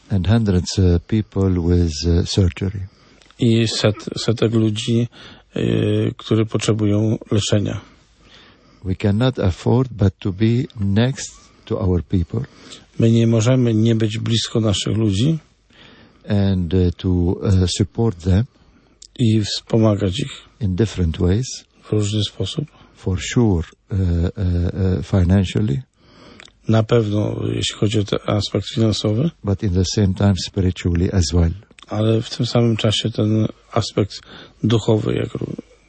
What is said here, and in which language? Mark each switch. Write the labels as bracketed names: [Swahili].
[English] And hundreds of people with surgery. [Polish] I setek ludzi, którzy potrzebują leczenia. [English] We cannot afford but to be next to our people. [Polish] My nie możemy nie być blisko naszych ludzi. [English] And to support them. [Polish] I wspomagać ich. [English] In different ways. [Polish] W różny sposób. [English] For sure, financially. [Polish] Na pewno, jeśli chodzi o ten aspekt finansowy. [English] But in the same time, spiritually as well. [Polish] Ale w tym samym czasie ten aspekt duchowy, jak również.